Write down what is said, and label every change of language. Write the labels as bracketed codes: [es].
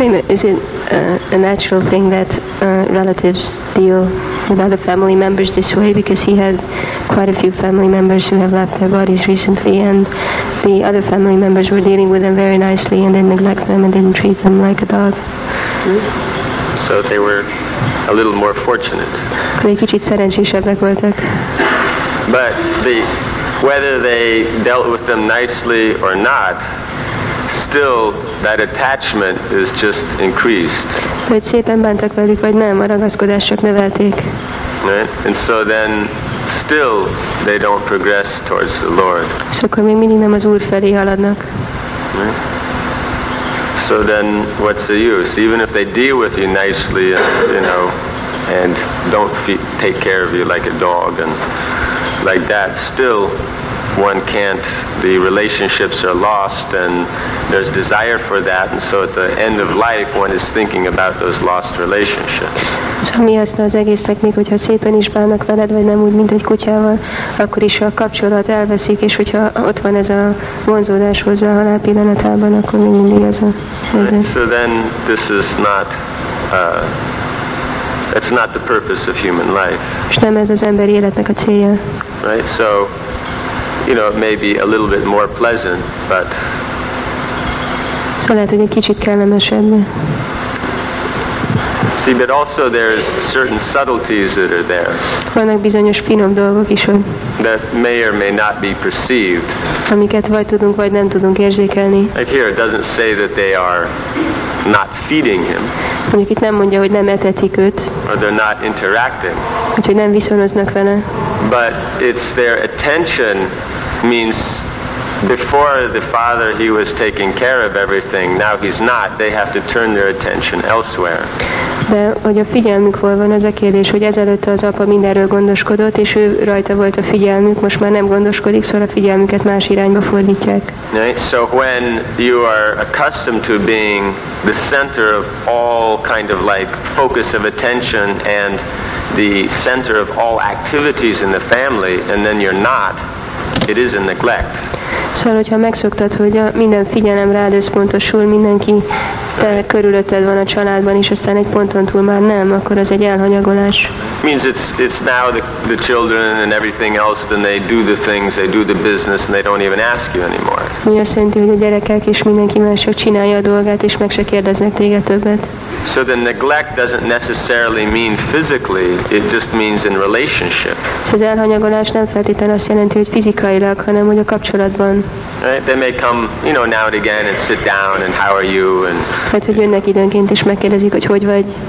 [en] Is it a natural thing that relatives deal with other family members this way, because he had quite a few family members who have left their bodies recently, and the other family members were dealing with them very nicely and didn't neglect them and didn't treat them like a dog. So they were a little more fortunate. [hu] They kicsit szerencsésebbek voltak. [en] But whether they dealt with them nicely or not, still that attachment is just increased. [hu] Hogy szépen bántak velük, vagy nem, a ragaszkodás csak növelték. [en] Right? And so then still they don't progress towards the Lord. [hu] És akkor még mindig nem az Úr felé haladnak. [en] So then what's the use? Even if they deal with you nicely, you know, and don't take care of you like a dog and like that, still one can't, the relationships are lost and there's desire for that, and so at the end of life one is thinking about those lost relationships. [hu] Szóval mi haszna az egésznek, még hogyha szépen is bánnak veled, vagy nem úgy, mint egy kutyával, akkor is a kapcsolat elveszik, és hogyha ott van ez a vonzódás hozzá a halál pillanatában, akkor még mindig ez a helyzet. [en] So then this is not that's not the purpose of human life. [hu] És nem ez az emberi életnek a célja. [en] Right, so you know, it may be a little bit more pleasant, but [hu] so lehet, hogy egy kicsit kellemesebb. [en] See, but also there is certain subtleties that are there. [hu] Vannak bizonyos finom dolgok is, hogy [en] that may or may not be perceived. [hu] Amiket vagy tudunk, vagy nem tudunk érzékelni. [en] Like here, it doesn't say that they are not feeding him. [hu] Mondjuk itt nem mondja, hogy nem etetik őt. [en] Or they're not interacting. [hu] Hogy nem viszonoznak vele. [en] But it's their attention means before the father he was taking care of everything, now he's not, they have to turn their attention elsewhere. [hu] De hogy a figyelmük hol van, az a kérdés, hogy ezelőtt az apa mindenről gondoskodott, és ő rajta volt a figyelmük, most már nem gondoskodik, szóval a figyelmüket más irányba fordítják. [en] Right? So when you are accustomed to being the center of all kind of like focus of attention and the center of all activities in the family, and then you're not, it is a neglect. [hu] Szóval, hogyha megszoktad, hogy a minden figyelem rád összpontosul, mindenki te körülötted van a családban, és aztán egy ponton túl már nem, akkor az egy elhanyagolás. [en] Means it's now the children and everything else, then they do the things, they do the business, and they don't even ask you anymore. [hu] Mi azt jelenti, hogy a gyerekek és mindenki más csak csinálja a dolgát, és meg se kérdeznek téged többet. [en] So the neglect doesn't necessarily mean physically, it just means in relationship. [hu] Szóval az elhanyagolás nem feltétlenül azt jelenti, hogy fizikailag, hanem hogy a kapcsolatban. [en] Right? They may come, you know, now and again and sit down and how are you and [hu] hát, hogy jönnek időnként és megkérdezik, hogy hogy vagy.